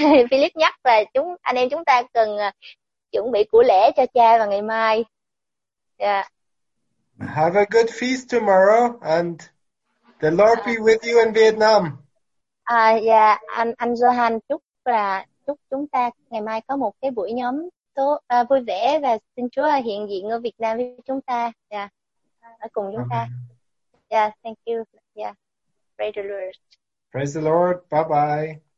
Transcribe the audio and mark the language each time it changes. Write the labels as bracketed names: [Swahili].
[Vietnamese] Philip nhắc là anh em chúng ta cần chuẩn bị của lễ cho cha vào ngày mai. Yeah. [English] Have a good feast tomorrow, and the Lord be with you in Vietnam. [Vietnamese] Anh Johan chúc chúng ta ngày mai có một cái buổi nhóm tốt vui vẻ, và xin Chúa hiện diện ở Việt Nam với chúng ta. [English] Yeah. [Vietnamese] Cùng chúng ta. [English] Yeah, thank you. Yeah. Praise the Lord. Praise the Lord. Bye bye.